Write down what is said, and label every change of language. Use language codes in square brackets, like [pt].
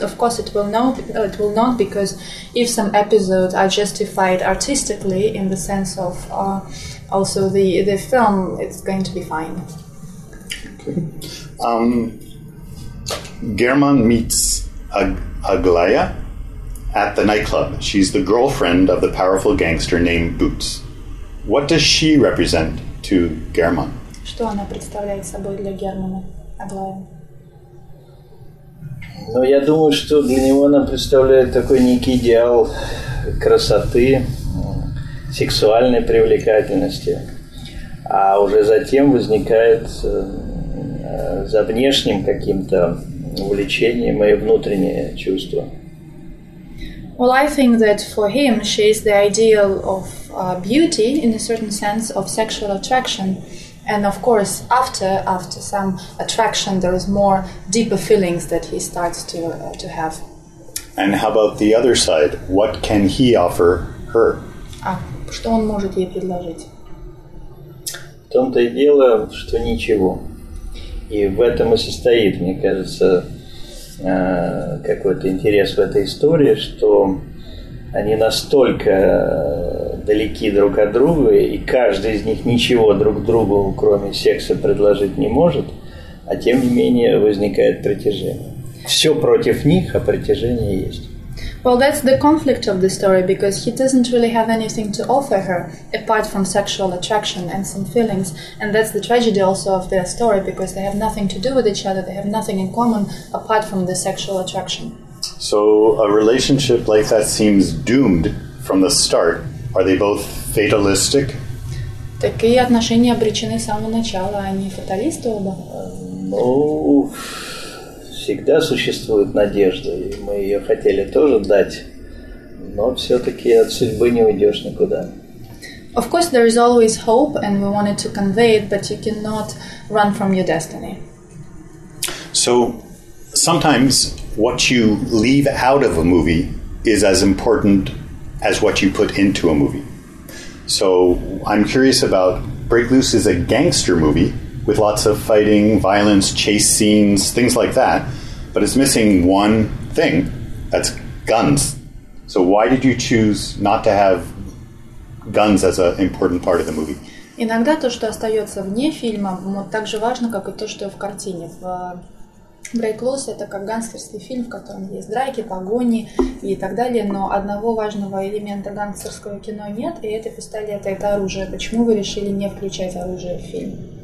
[en] Of course, it will not, because if some episodes are justified artistically in the sense of also the film, it's going to be fine. Okay. German meets Aglaya at the nightclub. She's the girlfriend of the powerful gangster named Boots. What does she represent to German? [ru] Что она представляет собой для Германа Аглая? Ну, я думаю, что для него она представляет такой некий идеал красоты, сексуальной привлекательности. А уже затем возникает за внешним каким-то увлечением и внутреннее чувство. [en] Well, I think that for him she is the ideal of beauty in a certain sense of sexual attraction. And of course, after some attraction, there is more deeper feelings that he starts to have. And how about the other side? What can he offer her? [ru] Что он может ей предложить? В том-то и дело, что ничего. И в этом и состоит, мне кажется, какой-то интерес в этой истории, что они настолько далеки друг от друга, и каждый из них ничего друг другу, кроме секса, предложить не может, а тем не менее возникает притяжение. Все против них, а притяжение есть. [en] Well, that's the conflict of the story, because he doesn't really have anything to offer her, apart from sexual attraction and some feelings, and that's the tragedy also of their story, because they have nothing to do with each other, they have nothing in common, apart from the sexual attraction. So a relationship like that seems doomed from the start. Are they both fatalistic? [ru] Такие отношения обречены с самого начала, они фаталисты оба? Ну, всегда существует надежда, и мы ее хотели тоже дать, но все-таки от судьбы не уйдешь никуда. [en] Of course, there is always hope, and we wanted to convey it, but you cannot run from your destiny. So, sometimes what you leave out of a movie is as important as what you put into a movie. So I'm curious about, Break Loose is a gangster movie with lots of fighting, violence, chase scenes, things like that, but it's missing one thing, that's guns. So why did you choose not to have guns as an important part of the movie? [ru] Иногда то, что остается вне фильма, так же важно, как и то, что в картине. Break Loose – это как гангстерский фильм, в котором есть драки, погони и так далее, но одного важного элемента гангстерского кино нет, и это пистолет, это оружие. Почему вы решили не включать оружие в фильм?